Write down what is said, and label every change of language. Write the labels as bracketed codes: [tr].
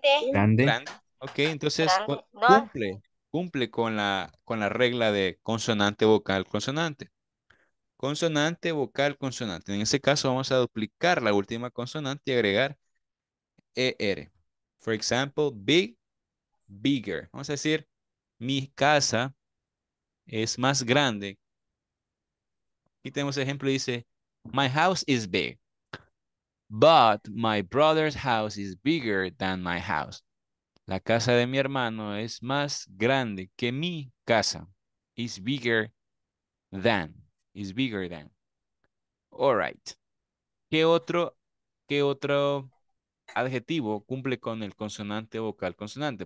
[es] Grande. Grande. Ok, entonces, grande. Cumple. Cumple con la regla de consonante, vocal, consonante. Consonante, vocal, consonante. En ese caso, vamos a duplicar la última consonante y agregar er. [en] For example, big, bigger. [es] Vamos a decir, mi casa es más grande. Aquí tenemos ejemplo, dice, [en] my house is big, but my brother's house is bigger than my house. [es] La casa de mi hermano es más grande que mi casa. [en] Is bigger than. Is bigger than. All right. [es] ¿Qué otro adjetivo cumple con el consonante vocal consonante?